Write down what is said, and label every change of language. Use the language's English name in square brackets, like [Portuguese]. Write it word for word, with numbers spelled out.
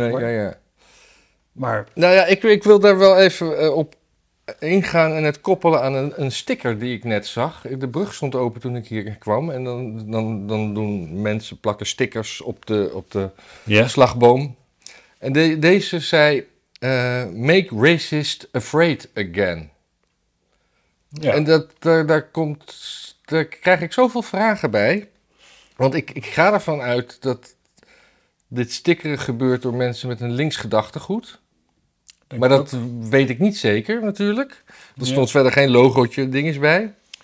[Dutch] nee, maar. Ja, ja. Maar... Nou ja, ik, ik wil daar wel even uh, op... ingaan en het koppelen aan een, een sticker die ik net zag. De brug stond open toen ik hier kwam. En dan, dan, dan doen mensen plakken stickers op de, op de yeah. slagboom. En de, deze zei... [English] Uh, make racist afraid again. [Dutch] Ja. En dat, daar, daar, komt, daar krijg ik zoveel vragen bij. Want ik, ik ga ervan uit dat dit stickeren gebeurt door mensen met een links gedachtegoed. Maar dat weet ik niet zeker, natuurlijk. Er stond ja. verder geen logootje, dinges bij.